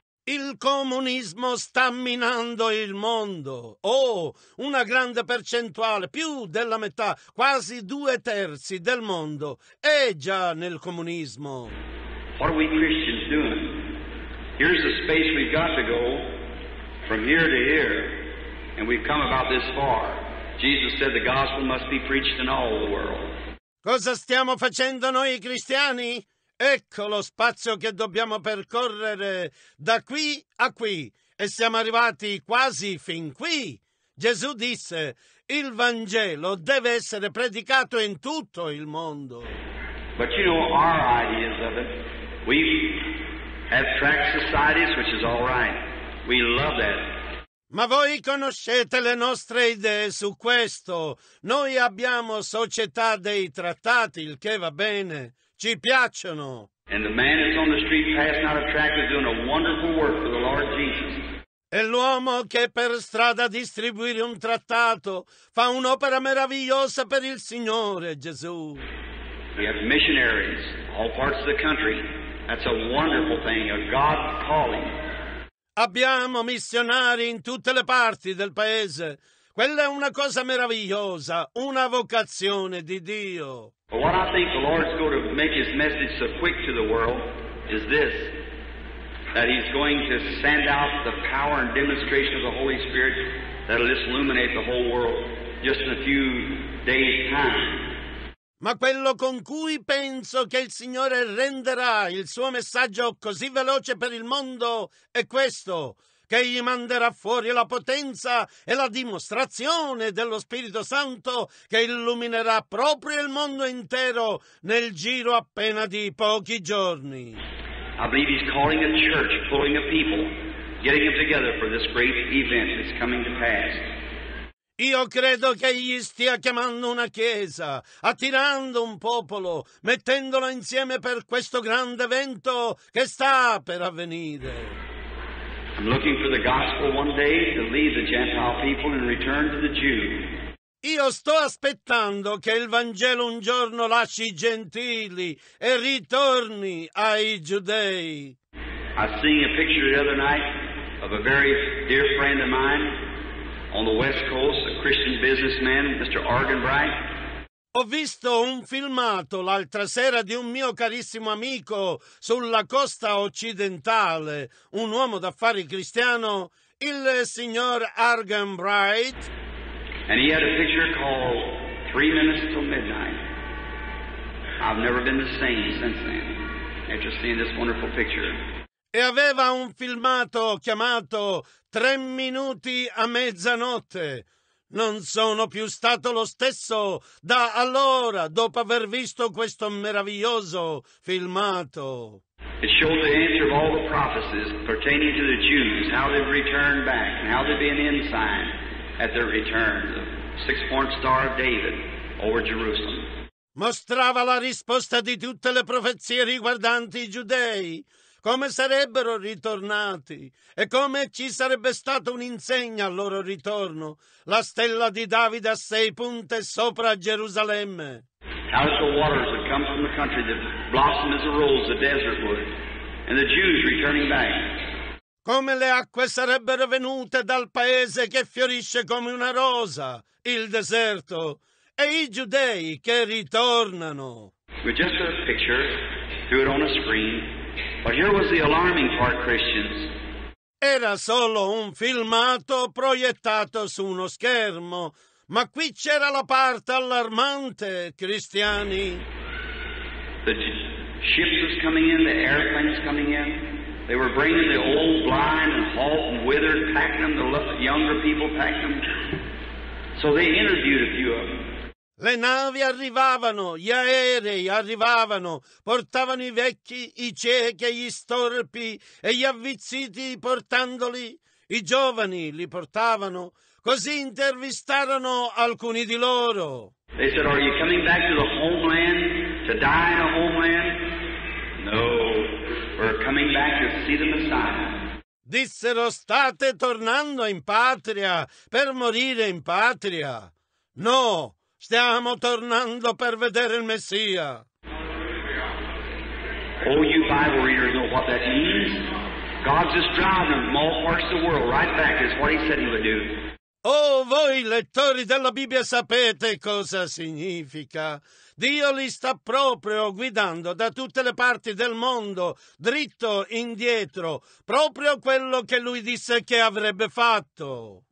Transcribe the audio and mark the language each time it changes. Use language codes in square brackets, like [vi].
[it] Il comunismo sta minando il mondo. Oh, una grande percentuale, più della metà, quasi due terzi del mondo è già nel comunismo. [en] What are we Christians doing? Here's the space we've got to go from here to here, and we've come about this far. Jesus said the gospel must be preached in all the world. [it] Cosa stiamo facendo noi cristiani? Ecco lo spazio che dobbiamo percorrere da qui a qui e siamo arrivati quasi fin qui. Gesù disse, il Vangelo deve essere predicato in tutto il mondo. [en] But you know our ideas of it. We have tract societies, which is all right. We love that. [it] Ma voi conoscete le nostre idee su questo. Noi abbiamo società dei trattati, il che va bene. Ci piacciono. [en] And the man is on the street passing out a tract is doing a wonderful work for the Lord Jesus. [it] E l'uomo che per strada distribuisce un trattato fa un'opera meravigliosa per il Signore Gesù. [en] We have missionaries all parts of the country. That's a wonderful thing, a God calling. [it] Abbiamo missionari in tutte le parti del paese. Quella è una cosa meravigliosa, una vocazione di Dio. [en] But what I think the Lord's going to make his message so quick to the world is this, that he's going to send out the power and demonstration of the Holy Spirit that'll just illuminate the whole world just in a few days' time. [it] Ma quello con cui penso che il Signore renderà il suo messaggio così veloce per il mondo è questo, che gli manderà fuori la potenza e la dimostrazione dello Spirito Santo che illuminerà proprio il mondo intero nel giro appena di pochi giorni. [en] I believe he's calling a church, pulling a people, getting them together for this great event that's coming to pass. [it] Io credo che egli stia chiamando una chiesa, attirando un popolo, mettendolo insieme per questo grande evento che sta per avvenire. [en] I'm looking for the gospel one day to lead the Gentile people and return to the Jew. [it] Io sto aspettando che il Vangelo un giorno lasci i gentili e ritorni ai giudei. [en] I seen a picture the other night of a very dear friend of mine on the West Coast, a Christian businessman, Mr. Argenbright. [it] Ho visto un filmato l'altra sera di un mio carissimo amico sulla costa occidentale, un uomo d'affari cristiano, il signor Argenbright. [en] And he had a picture called 3 minutes till midnight. I've never been the same since then, after seeing this wonderful picture. [it] E aveva un filmato chiamato 3 minuti a mezzanotte. Non sono più stato lo stesso da allora, dopo aver visto questo meraviglioso filmato. [en] It showed the answer of all the prophecies pertaining to the Jews, how they'd return back, and how they'd be an ensign at their return, the six-horned star of David over Jerusalem. [it] Mostrava la risposta di tutte le profezie riguardanti i giudei. Come sarebbero ritornati e come ci sarebbe stato un'insegna al loro ritorno, la stella di Davide a 6 punte sopra Gerusalemme. [en] How the waters that come from the country that blossom as a rose, the desert wood, and the Jews returning back. [it] Come le acque sarebbero venute dal paese che fiorisce come una rosa, il deserto, e i giudei che ritornano. [en] We just took a picture, threw it on a screen. But here was the alarming part, Christians. [it] Era solo un filmato proiettato su uno schermo, ma qui c'era la parte allarmante, cristiani. [en] The ships is coming in, the airplanes coming in, They were bringing the old, blind, and halt, and withered, packing them, the younger people packed them. So they interviewed a few of them. [it] Le navi arrivavano, gli aerei arrivavano, portavano i vecchi, i ciechi, gli storpi e gli avvizziti portandoli. I giovani li portavano. Così intervistarono alcuni di loro. [en] They said, are you coming back to the homeland, to die in a homeland? No, we're coming back to see the Messiah. [it] Dissero, state tornando in patria per morire in patria? No, stiamo tornando per vedere il Messia. [en] All you Bible readers know what that means? God's just driving them from all parts of the world right back, is what he said he would do. [it] Oh, voi lettori della Bibbia sapete cosa significa. Dio li sta proprio guidando da tutte le parti del mondo, dritto indietro, proprio quello che lui disse che avrebbe fatto.